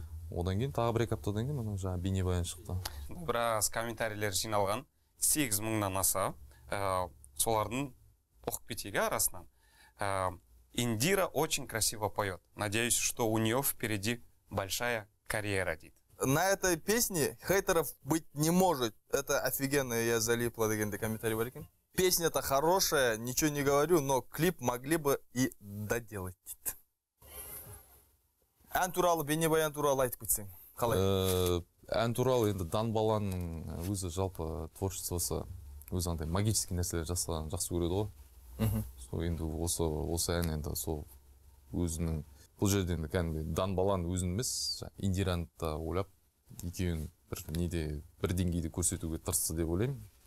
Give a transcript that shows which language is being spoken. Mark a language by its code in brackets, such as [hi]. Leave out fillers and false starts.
[kk] Одан кейін тағы бір-екі аптадан кейін бейнебаян шықты. Біраз комментарийлер жиналған, 8000-нан аса, солардың оқып кетегі арасынан. [ru] «Индира очень красиво поет. Надеюсь, что у нее впереди большая карьера», [kk] дейді. [ru] На этой песне хейтеров быть не может. Это офигенно, я залипла [kk] дегенде комментарий бар екен. [ru] Песня-то хорошая, ничего не говорю, но клип могли бы и доделать. [kk] Ән туралы, бейнебаян туралы айтып өтсең, қалай? Ән туралы, енді Дан Баланның өзі жалпы творчествосы өзі андай магический нәрселер жасаған жақсы көреді ғой. Сол енді осы ән енді сол өзінің бұл жерде енді кәдімгі дан баланы өзін емес, Индираны да ойлап екеуін бір неде бір деңгейде көрсетуге тырысты деп ойлаймын.